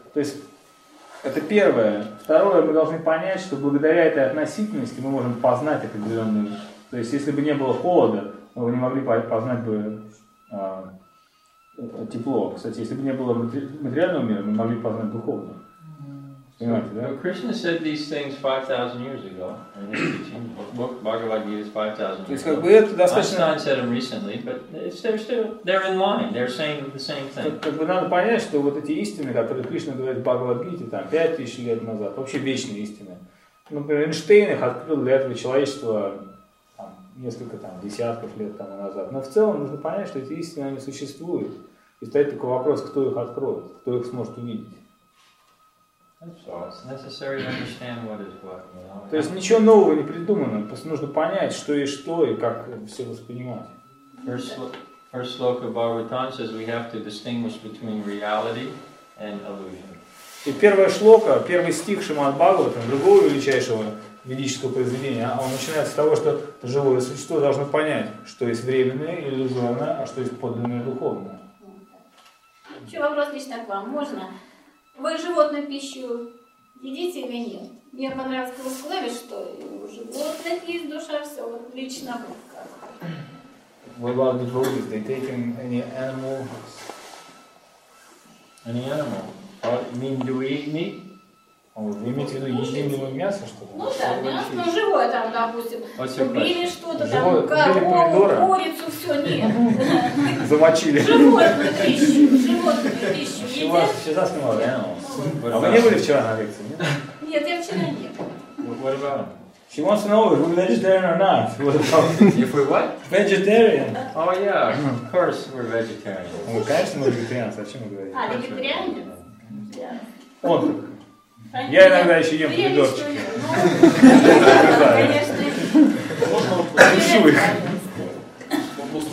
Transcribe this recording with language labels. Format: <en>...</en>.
<ru>То есть это первое. Второе, мы должны понять, что благодаря этой относительности мы можем познать определенную. То есть если бы не было холода, мы бы не могли познать бы тепло. Кстати, если бы не было материального мира, мы могли познать духовное. Понимаете, да?</ru> <en>But Krishna said these things 5,000 years ago in his teaching. Book Bhagavad Gita is 5,000 years ago.</en> <ru>Достаточно...</ru> <en>Einstein said them recently, but they're in line. They're saying the same thing.</en> <ru>Как бы надо понять, что вот эти истины, которые Кришна говорит в Бхагавад Гите, там 5000 лет назад, вообще вечные истины. Например, Эйнштейн их открыл для этого человечества там, несколько там, десятков лет тому назад. Но в целом нужно понять, что эти истины, они существуют. И стоит такой вопрос, кто их откроет, кто их сможет увидеть.</ru> <en>So it's necessary to understand what is what. You know?</en> <ru>То есть ничего нового не придумано, просто нужно понять, что есть что и как все воспринимать.</ru> <en>First sloka Bhagavatam says we have to distinguish between reality and illusion.</en> <ru>И первая шлока, первый стих Шримад Бхагаватам, другого величайшего ведического произведения, он начинается с того, что живое существо должно понять, что есть временное и иллюзорное, а что есть подлинное и духовное. Еще вопрос лично к вам. Можно? Вы животную пищу едите или нет? Мне понравилось, что вы сказали, что у животных есть душа, все, вот лично вы сказали.</ru> <en>What about the bodies? They take any animal? Any animal? You mean, do we eat meat?</en> <ru>Вы имеете в виду, едим ли мы мясо, что ли? Ну да, мясо, но живое там, допустим, убили что-то, там, корову, курицу, все, нет. Замочили. Животную пищу едят. Сейчас снимали, а вы не были вчера на лекции, нет? Нет, я вчера не.</ru> <en>What about him? She wants to know if we're vegetarian or not. What about if we what? Vegetarian. Oh yeah, of course we're vegetarian.</en> <ru>Ну, конечно, мы вегетарианцы, о чем мы говорим? А, вегетарианец? Да. Вот. Я иногда еще ем помидорчики. Конечно. Ищу их.</ru>